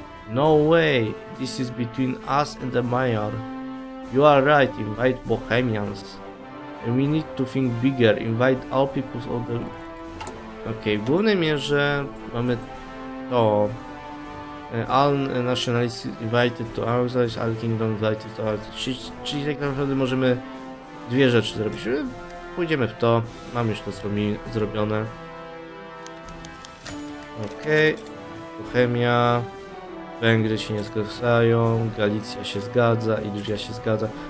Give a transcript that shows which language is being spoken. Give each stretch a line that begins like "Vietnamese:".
English: No way, this is between us and the Maiar. You are right, invite Bohemians. We need to think bigger. Invite all people of the...
Polish: Okej, w głównej mierze mamy to.
English: All nationalists invited to Auxilis, all kingdoms invited to Auxilis.
Polish: Czyli tak naprawdę możemy dwie rzeczy zrobić. Pójdziemy w to. Mamy już to zrobione. Okej. Bohemia. Węgry się nie zgadzają. Galicja się zgadza. Iluzja się zgadza.